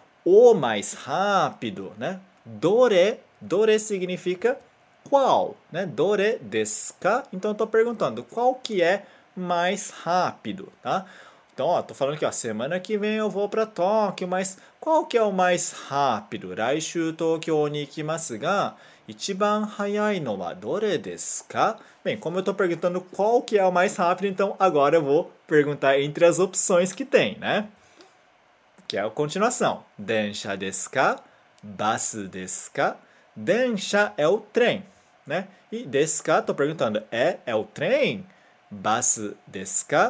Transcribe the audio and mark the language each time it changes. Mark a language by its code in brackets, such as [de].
[pt] O mais rápido, né? Dore, dore significa qual, né? [ja] Dore desu ka? [pt] Então, eu tô perguntando qual que é mais rápido, tá? Então, ó, tô falando aqui, ó, semana que vem eu vou para Tóquio, mas qual que é o mais rápido? [ja] Raishu Tokyo ni ikimasu ga 一番早いのはどれですか? [pt] Bem, como eu estou perguntando qual que é o mais rápido, então agora eu vou perguntar entre as opções que tem, né? Que é a continuação. [ja] Densha desu ka? Basu desu ka? [pt] Densha é o trem, né? E [ja] desu ka, [pt] estou perguntando, é o trem? [ja] Basu desu ka?